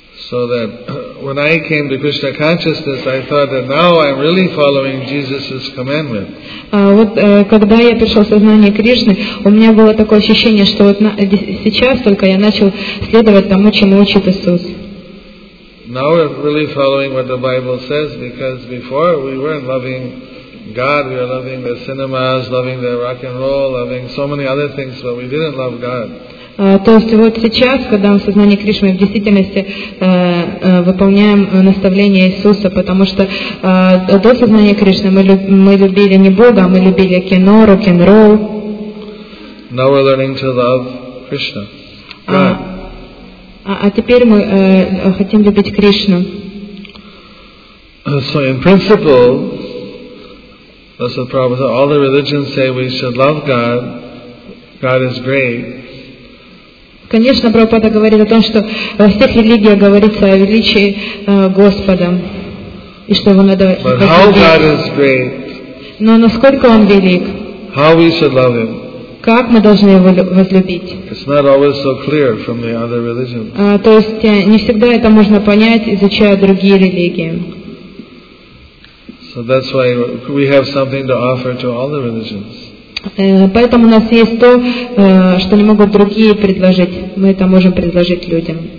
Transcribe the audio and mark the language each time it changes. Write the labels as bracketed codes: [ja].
[en] So that when I came to Krishna consciousness, I thought that now I'm really following Jesus's commandment. [ru] Вот когда я пришел в сознание Кришны, у меня было такое ощущение, что вот сейчас только я начал следовать тому, чему учит Иисус. [en] Now we're really following what the Bible says, because before we weren't loving God, we were loving the cinemas, loving the rock and roll, loving so many other things, but we didn't love God. [ru] То есть вот сейчас, когда мы в сознании Кришны в действительности выполняем наставление Иисуса, потому что до сознания Кришны мы любили не Бога, мы любили кино, рок-н-ролл. [en] Now we're learning to love Krishna. [ru] А теперь мы хотим любить Кришну. [en] So in principle, that's the problem. All the religions say we should love God. God is great. [ru] Конечно, Прабхупада говорит о том, что во всех религиях говорится о величии Господа, и что его надо возлюбить. Но насколько Он велик? [en] How we should love Him. [ru] Как мы должны Его возлюбить? [en] It's not always so clear from the other religions. [ru] То есть не всегда это можно понять, изучая другие религии. [en] So that's why we have something to offer to all the religions. [ru] Поэтому у нас есть то, что не могут другие предложить. Мы это можем предложить людям.